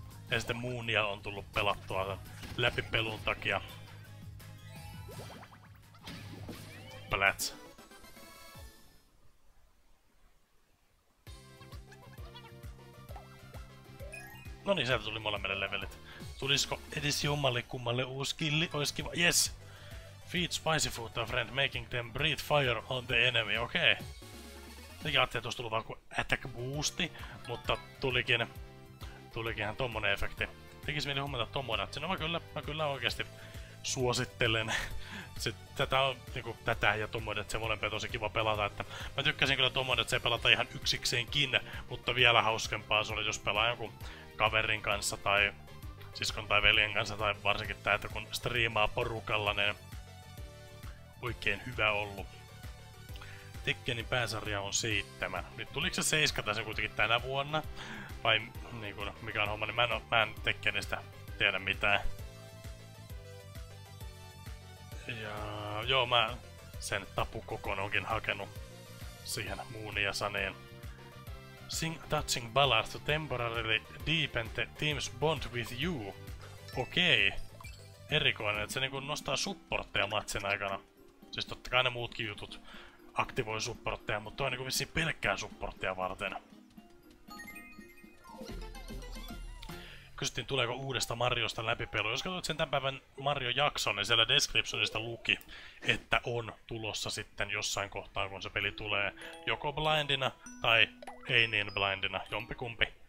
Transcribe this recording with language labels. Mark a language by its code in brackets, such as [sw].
[fi] Ja sitten Moonia on tullut pelattua sen läpipelun takia. Plats. Noniin, sieltä tuli molemmille levelit. Tulisiko edes jommalle kummalle uusi killi? Ois kiva. Yes! [en] Feed spicy food to a friend, making them breathe fire on the enemy. Okei. Okay. [fi] Mikä ajattelin, että vaan kuin attack boosti, mutta tulikin ihan tommonen efekti. Tekisi mieli huomata tommonen, että mä kyllä oikeesti suosittelen. Tätä on niinku tätä ja tommonen, että se molempia tosi kiva pelata. Että mä tykkäsin kyllä tommonen, että se pelata ihan yksikseenkin, mutta vielä hauskempaa se oli, jos pelaa jonkun kaverin kanssa tai siskon tai veljen kanssa tai varsinkin tää, että kun striimaa porukalla, niin oikein hyvä ollut. Tekkenin pääsarja on 7. Nyt tuliko se 7 tässä kuitenkin tänä vuonna? Vai niin kun, mikä on homma, niin mä en Tekkenistä tiedä mitään. Ja joo, mä sen tapukokon onkin hakenut siihen Moonia saneen. [en] Sing touching ballad to temporarily deepen the team's bond with you. Okei. [fi] Erikoinen, että se niinku nostaa supportteja matsin aikana. Siis totta kai ne muutkin jutut aktivoi supportteja, mutta toi on niinku vissiin pelkkää supportteja varten. Kysyttiin, tuleeko uudesta Mariosta läpipelu. Jos katsoit sen tämän päivän Mario-jakson, niin siellä descriptionista luki, että on tulossa sitten jossain kohtaa, kun se peli tulee joko blindina tai ei niin blindina, jompikumpi.